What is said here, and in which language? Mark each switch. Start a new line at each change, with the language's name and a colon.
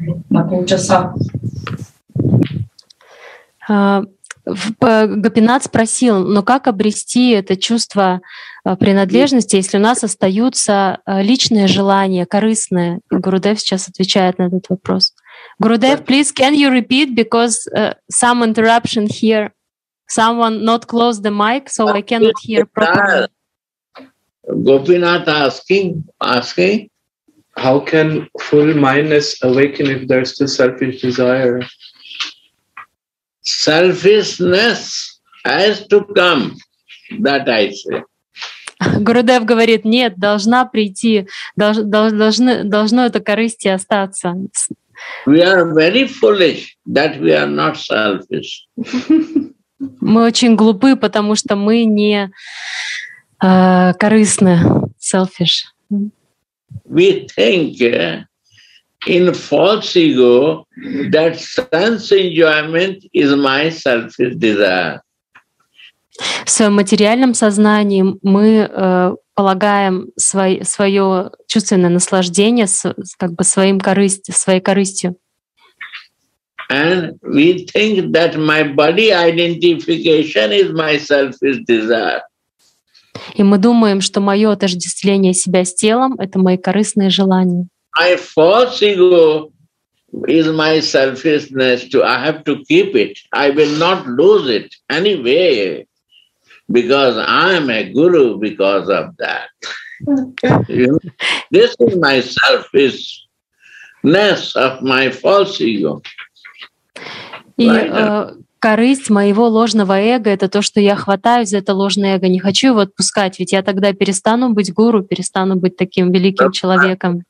Russian: На полчаса. Гопинат спросил, но как обрести это чувство принадлежности, если у нас остаются личные желания, корыстные? Гурудев сейчас отвечает на этот вопрос.
English: Гурудев, please, can you repeat, because some interruption here. Someone not close the mic, so I cannot hear properly. Gopinath asking How can full mindness awaken if there's still selfish desire? Selfishness has to come, that I say.
Russian: Гурудев говорит, нет, должна прийти, должно это корысти остаться.
English: We are very foolish that we are not selfish.
Russian: Мы очень глупы, потому что мы не корыстны,
English: selfish. We think in false ego that sense enjoyment is my selfish desire.
Russian: В своем материальном сознании мы полагаем свое чувственное наслаждение как бы своей корыстью.
English: And we think that my body identification is my selfish desire.
Russian: И мы думаем, что мое отождествление себя с телом — это мои корыстные желания.
English: My false ego is my selfishness too. I have to keep it. I will not lose it anyway. Because I am a guru because of that. You know, this is my selfishness of my false ego.
Russian: И корысть моего ложного эго — это то, что я хватаюсь за это ложное эго, не хочу его отпускать, ведь я тогда перестану быть гуру, перестану быть таким великим человеком.